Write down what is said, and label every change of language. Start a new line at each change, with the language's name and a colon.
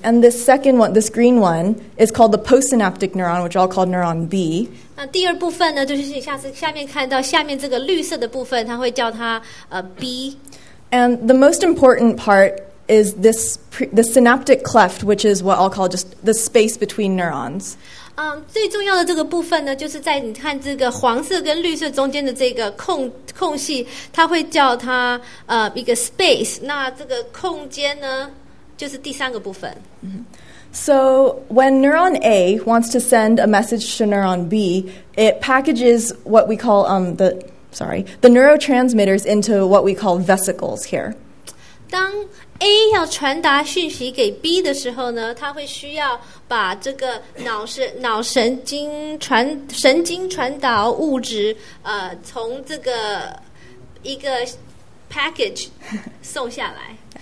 English: And the second one, this green one, is called the postsynaptic neuron, which I'll call neuron B.
Chinese: 那第二部分呢，就是下面看到下面这个绿色的部分，它会叫它B.
English: And the most important part is the synaptic cleft, which is what I'll call just the space between neurons.
Chinese: 最重要的这个部分呢，就是在你看这个黄色跟绿色中间的这个空隙，它会叫它一个 space. 那这个空间呢？就是第三个部分。
English: So when neuron A wants to send a message to neuron B, it packages what we call the neurotransmitters into what we call vesicles here.
Chinese: 当 A 要传达讯息给 B 的时候呢，它会需要把这个脑神经传导物质从这个一个 package 送下来。